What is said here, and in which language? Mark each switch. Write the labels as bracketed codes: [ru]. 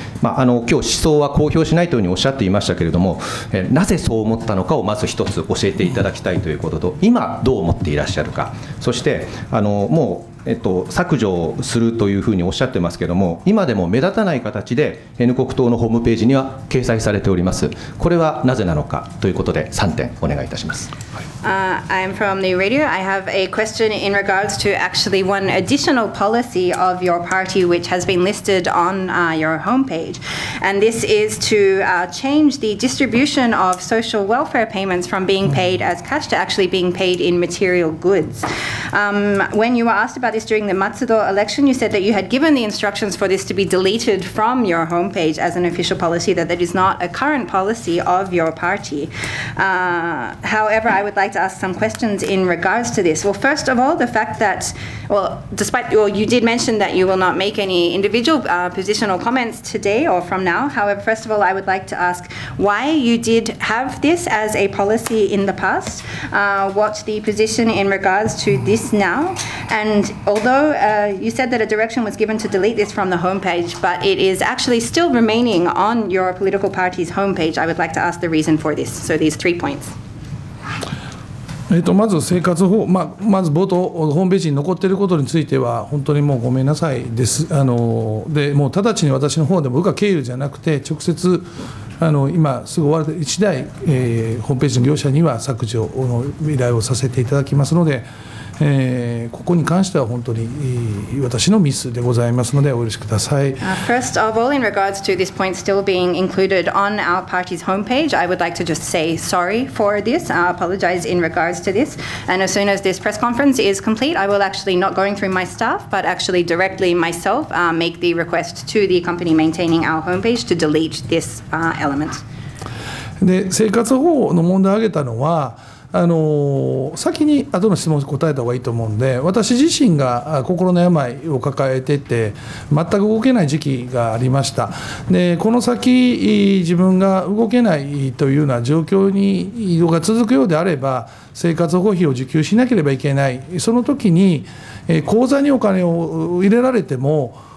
[ja] 今日思想は公表しないというふうにおっしゃっていましたけれども、なぜそう思ったのかをまず一つ教えていただきたいということと、今どう思っていらっしゃるか、そしてもう削除をするというふうにおっしゃってますけれども、今でも目立たない形で N 国党のホームページには掲載されております。これはなぜなのかということで3点お願いいたします。 [en] I am from the radio. I have a question in regards to actually one additional policy of your party which has been listed on your homepage. And this is to change the distribution of social welfare payments from being paid as cash to actually being paid in material goods. When you were asked about this during the Matsudo election, you said that you had given the instructions for this to be deleted from your homepage as an official policy, that is not a current policy of your party. However, I would like to ask some questions in regards to this. Well, first of all, the fact that, you did mention that you will not make any individual positional comments today or from now. However, first of all, I would like to ask why you did have this as a policy in the past, what the position in regards to this now. And although you said that a direction was given to delete this from the homepage, but it is actually still remaining on your political party's homepage, I would like to ask the reason for this. So these three points. [ja] まず生活保護、まず冒頭、ホームページに残っていることについては、本当にもうごめんなさいです、でもう直ちに私の方でも、部下経由じゃなくて、直接、今すぐ終わる次第、ホームページの業者には削除の依頼をさせていただきますので、ここに関しては本当に私のミスでございますので、お許しください。 [en] First of all, in regards to this point still being included on our party's homepage, I would like to just say sorry for this. I apologize in regards to this. And as soon as this press conference is complete, I will actually not going through my staff, but actually directly myself make the request to the company maintaining our homepage to delete this element. [ja] で、生活保護の問題を挙げたのは、先に後の質問を答えた方がいいと思うんで、私自身が心の病を抱えてて全く動けない時期がありました。で、この先自分が動けないというような状況に移動が続くようであれば、生活保護費を受給しなければいけない。その時に口座にお金を入れられても